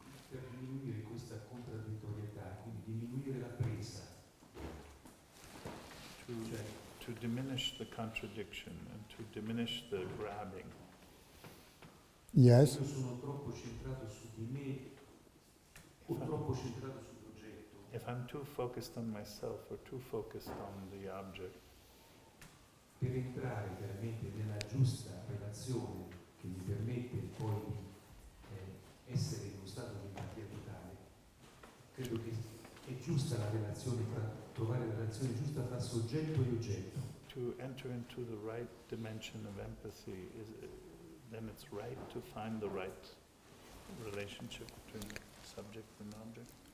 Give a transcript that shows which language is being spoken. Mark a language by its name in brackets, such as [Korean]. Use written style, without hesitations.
[Italian] Per diminuire questa contraddittorietà, quindi diminuire la presa. [English] To diminish the contradiction and to diminish the grabbing. Yes. [Italian] Io sono troppo centrato su di me o troppo centrato su. [English] If I'm too focused on myself or too focused on the object, [Italian] per entrare veramente nella giusta relazione che mi permette poi di essere in uno stato di empatia totale, credo che è giusta la relazione tra trovare la relazione giusta tra soggetto e oggetto. [English] To enter into the right dimension of empathy, then it's right to find the right relationship between subject and object.